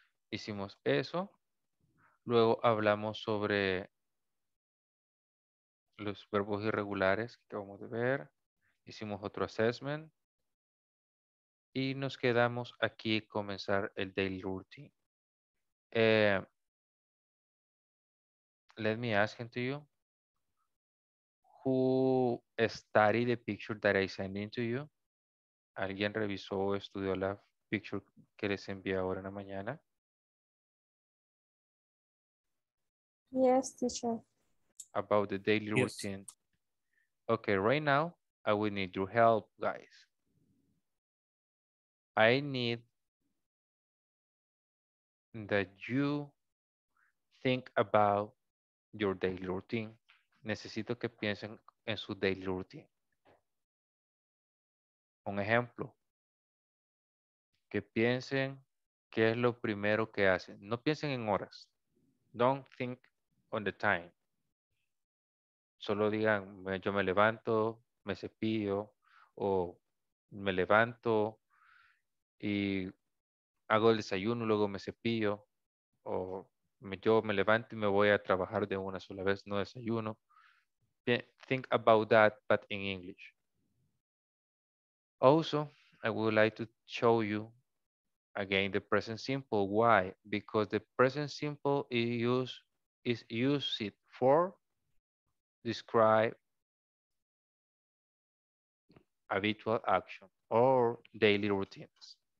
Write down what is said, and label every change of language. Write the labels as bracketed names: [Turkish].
[Spanish] Hicimos eso, luego hablamos sobre los verbos irregulares que acabamos de ver, hicimos otro assessment y nos quedamos aquí comenzar el daily routine. [English] Let me ask to you, who studied the picture that I sent in to you? [Spanish] ¿Alguien revisó o estudió la picture que les envié ahora en la mañana? [English] Yes, teacher. About the daily routine. Okay, right now, I will need your help, guys. I need that you think about your daily routine. [Spanish] Necesito que piensen en su daily routine. Un ejemplo. Que piensen qué es lo primero que hacen. No piensen en horas. [English] Don't think on the time. [Spanish] Solo digan, yo me levanto, me cepillo, o me levanto y hago el desayuno, luego me cepillo, o yo me levanto y me voy a trabajar de una sola vez, no desayuno. [English] Think about that, but in English. Also, I would like to show you again the present simple. Why? Because the present simple is used for describe habitual action or daily routines.